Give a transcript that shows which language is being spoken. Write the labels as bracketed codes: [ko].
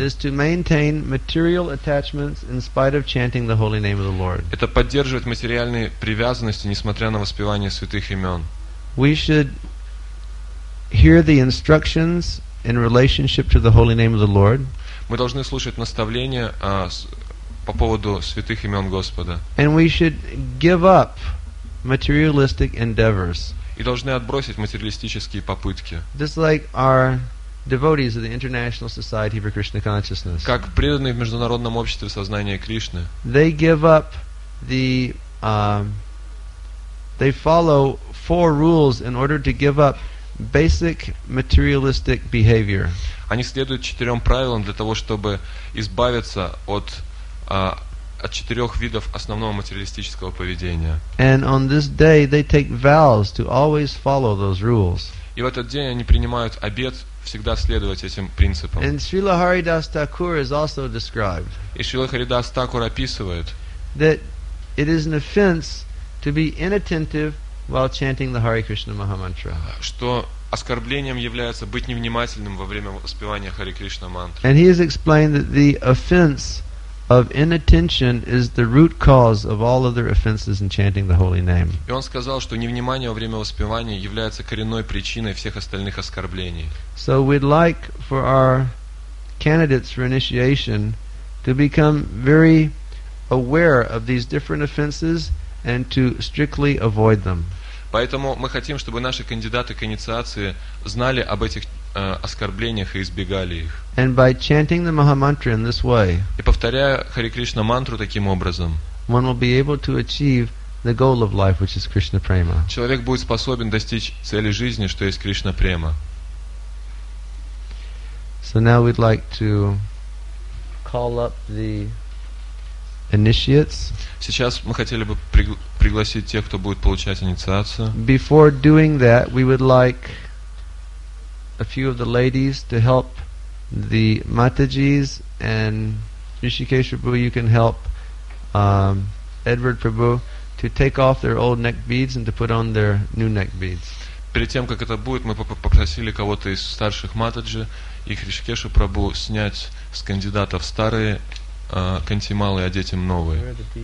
[en] Is to maintain material attachments in spite of chanting the holy name of the Lord. [ru] Это поддерживать материальные привязанности, несмотря на воспевание святых имен. [en] We should hear the instructions in relationship to the holy name of the Lord. [ru] Мы должны слушать наставления по поводу святых имен Господа. [en] And we should give up materialistic endeavors. [ru] И должны отбросить материалистические попытки. [en] Just like our devotees of the International Society for Krishna Consciousness. [ru] Как преданные в Международном обществе сознания Кришны. [en] They give up they follow four rules in order to give up basic materialistic behavior. [ru] Они следуют четырем правилам для того, чтобы избавиться от четырех видов основного материалистического поведения. [en] And on this day they take vows to always follow those rules. [ru] И в этот день они принимают обет всегда следовать этим принципам. [en] And Srila Haridas Thakur is also described. [ru] И Шрила Харидас Такур описывает, [en] that it is an offense to be inattentive while chanting the Hare Krishna Mahamantra. [ru] Что оскорблением является быть невнимательным во время воспевания Хари Кришна мантры. [en] And he has explained that the offense of inattention is the root cause of all other offenses in chanting the holy name. [ru] И он сказал, что невнимание во время воспевания является коренной причиной всех остальных оскорблений. [en] So we'd like for our candidates for initiation to become very aware of these different offenses and to strictly avoid them. [ru] Поэтому мы хотим, чтобы наши кандидаты к инициации знали об этих оскорблениях и избегали их. [en] And by chanting the Maha Mantra in this way, [ru] и повторяя Хари Кришна мантру таким образом, [en] one will be able to achieve the goal of life, which is Krishna Prema. [ru] Человек будет способен достичь цели жизни, что есть Кришна Према. [en] So now we'd like to call up the initiates. [ru] Сейчас мы хотели бы пригласить тех, кто будет получать инициацию. [en] Before doing that, we would like a few of the ladies to help the Matajis, and Rishikesh Prabhu, you can help Edward Prabhu to take off their old neck beads and to put on their new neck beads. [ru] Перед тем, как это будет, мы попросили кого-то из старших Матаджи и Хришикеша Прабу снять с кандидатов старые кантималы и одеть им новые.